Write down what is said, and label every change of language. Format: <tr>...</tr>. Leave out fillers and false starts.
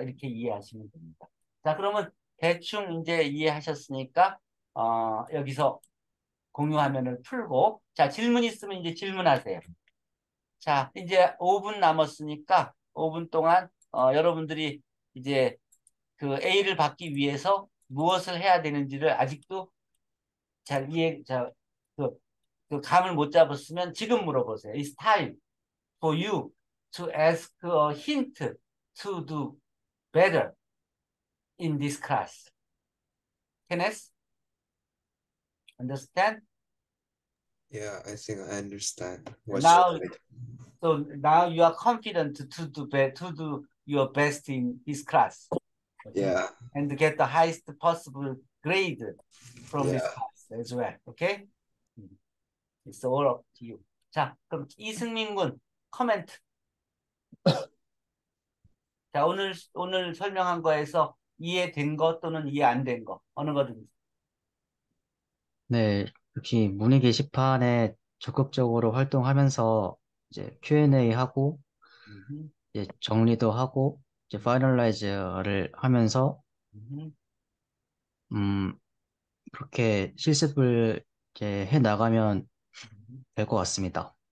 <ko>이렇게 이해하시면 됩니다. 자, 그러면 대충 이제 이해하셨으니까, 여기서 공유화면을 풀고, 자, 질문 있으면 이제 질문하세요. 자, 이제 5분 남았으니까, 5분 동안, 여러분들이 이제 그 A를 받기 위해서 무엇을 해야 되는지를 아직도 그 감을 못 잡았으면 지금 물어보세요.</ko> <en>It's time for you to ask a hint to do better in this class. Kenneth? Understand? Yeah, I think I understand. What should Now, so now you are confident to do your best in this class, okay? Yeah. And get the highest possible grade from this Yeah. class as well, okay? It's all up to you.</en> <ko>자, 그럼 이승민군, 코멘트. 자, 오늘 설명한 거에서 이해된 것 또는 이해 안된 거, 어느 거든지. 네. 역시 문의 게시판에 적극적으로 활동하면서 이제 Q&A 하고 이제 정리도 하고 이제 파이널라이즈를 하면서 그렇게 실습을 이제 해 나가면 될것 같습니다.</ko>